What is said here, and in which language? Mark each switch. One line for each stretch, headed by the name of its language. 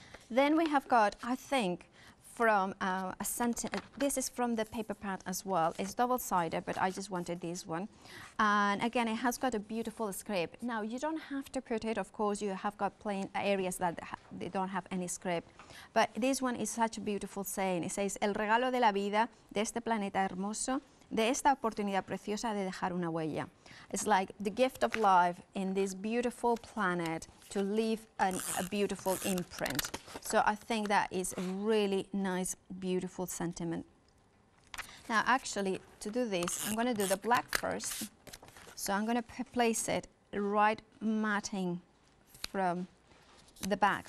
English: Then we have got, I think, from a center, this is from the paper pad as well, it's double-sided, but I just wanted this one. And again, it has got a beautiful script. Now you don't have to put it, of course you have got plain areas that they don't have any script, but this one is such a beautiful saying. It says,
Spanish: el regalo de la vida, de este planeta hermoso, de esta oportunidad preciosa de dejar una huella.
English: It's like the gift of life in this beautiful planet to leave a beautiful imprint. So I think that is a really nice, beautiful sentiment. Now actually, to do this, I'm gonna do the black first. So I'm gonna place it right matting from the back.